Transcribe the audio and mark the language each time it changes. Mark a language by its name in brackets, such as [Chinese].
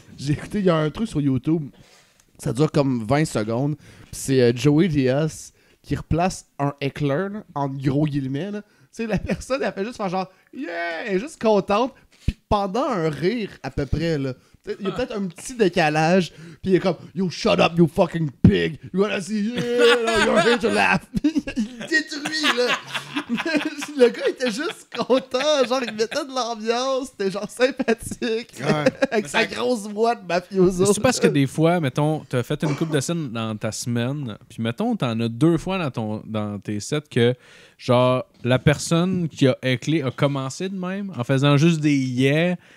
[French] J'ai écouté, il y a un truc sur YouTube, ça dure comme 20 secondes, puis c'est Joey Diaz qui replace un éclair, là, en gros guillemets. Là. Tu sais, la personne, elle fait juste faire genre, « Yeah! » Elle est juste contente, puis pendant un rire, à peu près, là, il y a peut-être un petit décalage, puis il est comme, [English] you shut up, you fucking pig. You wanna see, yeah, you're here to laugh. [French] Il détruit, là. Le gars était juste content, genre, il mettait de l'ambiance, c'était genre sympathique. Avec sa grosse voix de mafioso. C'est parce que des fois, mettons, t'as fait une couple de scènes dans ta semaine, puis mettons, t'en as deux fois dans tes sets que, genre, la personne qui a éclé a commencé de même en faisant juste des yeah.